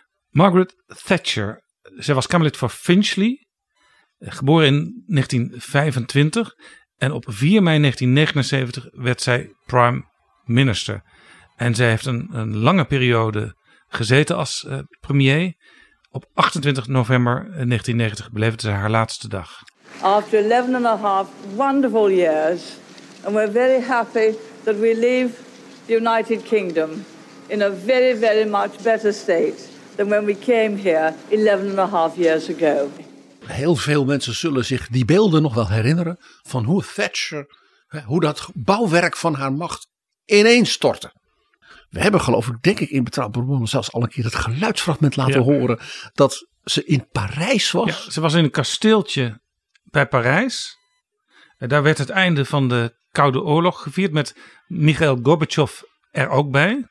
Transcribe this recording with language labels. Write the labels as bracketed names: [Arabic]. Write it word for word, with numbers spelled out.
[Dutch] Margaret Thatcher, zij was Kamerlid voor Finchley, geboren in negentien vijfentwintig en op vier mei negentien negenenzeventig werd zij prime minister. En zij heeft een, een lange periode gezeten als uh, premier. Op achtentwintig november negentien negentig beleefde zij haar laatste dag. [English] After eleven and a half wonderful years, and we're very happy that we leave the United Kingdom in a very, very much better state than when we came here eleven and a half years ago. [Dutch] Heel veel mensen zullen zich die beelden nog wel herinneren van hoe Thatcher, hoe dat bouwwerk van haar macht ineens stortte. We hebben geloof ik, denk ik in Betrouwbare Bronnen zelfs al een keer het geluidsfragment laten ja. horen dat ze in Parijs was. Ja, ze was in een kasteeltje bij Parijs. En daar werd het einde van de Koude Oorlog gevierd met Michail Gorbachev er ook bij.